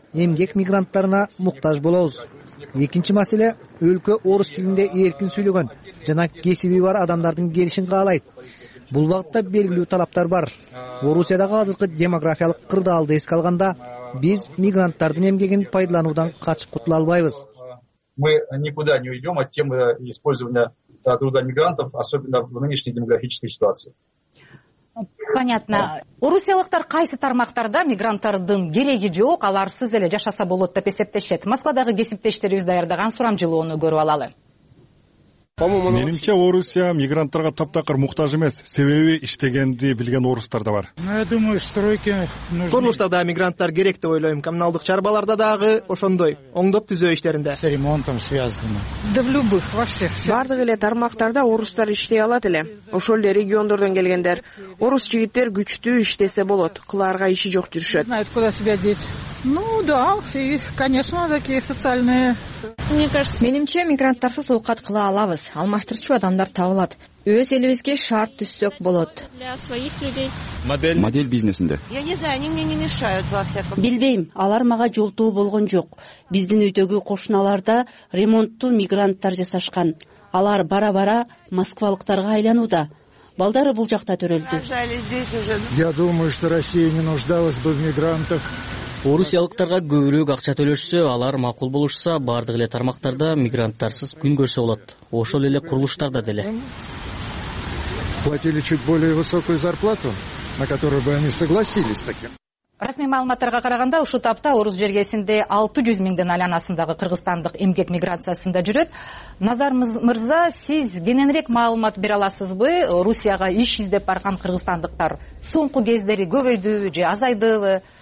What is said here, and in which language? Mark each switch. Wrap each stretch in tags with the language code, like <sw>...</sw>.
<ky>эмгек мигранттарына муктаж болобуз. Экинчи маселе өлкө орус тилинде эркин сүйлөгөн жана кесиби бар адамдардын келишин каалайт. Бул багытта белгилүү талаптар бар. Орусиядагы азыркы демографиялык кырдаалды эске алганда биз мигранттардын эмгегин пайдалануудан качып кутула албайбыз.</ky> <ru>Мы никуда не уйдем от темы использования труда мигрантов, особенно в нынешней демографической ситуации. Понятно.</ru> <ky>Орусиялыктар кайсы тармактарда мигранттардын кереги жок, аларсыз эле жашаса болот деп эсептешет? Москвадагы кесиптештерибиз даярдаган сурамжылоону көрүп алалы. Менимче Орусия мигранттарга таптакыр муктаж эмес, себеби иштегенди билген орустар да бар. Курулуштарда мигранттар керек деп ойлойм, коммуналдык чарбаларда дагы ошондой, оңдоп түзөө иштеринде.</ky> <ru>С ремонтом связано. Да в любых, во всех.</ru> <ky>Бардык эле тармактарда орустар иштей алат эле. Ошол эле региондордон келгендер, орус жигиттер күчтүү иштесе болот, кыларга иши жок жүрүшөт.</ky> <ru>Знают, куда себя деть. Ну да, и, конечно, такие социальные. Мне кажется,</ru> <ky>менимче мигранттарсыз оокат кыла алабыз. Алмаштырчу адамдар табылат. Өз элибизге шарт түссөк болот.</ky> <ru>Для своих людей.</ru> <ky>Модель бизнесинде.</ky> <ru>Я не знаю, они мне не мешают во всяком.</ru> <ky>Билбейм, алар мага жолтоо болгон жок. Биздин үйдөгү кошуналарда ремонтту мигранттар жасашкан. Алар бара-бара москвалыктарга айланууда. Балдары бул жакта төрөлдү.</ky> <ru>Я думаю, что Россия не нуждалась бы в мигрантах.</ru> <ky>Орусиялыктарга көбүрөөк акча төлөшсө, алар макул болушса, бардык эле тармактарда мигранттарсыз күн көрсө болот. Ошол эле курулуштарда деле.</ky> <ru>Платили чуть более высокую зарплату, на которую бы они согласились таким.</ru> <ky>Расмий маалыматтарга караганда, ушул тапта орус жергесинде 600 миңден айланасындагы кыргызстандык эмгек миграциясында жүрөт. Назар Мырза, сиз кененирээк маалымат бере аласызбы? Орусияга иш издеп барган кыргызстандыктар соңку кездери көбөйдүбү же азайдыбы?</ky>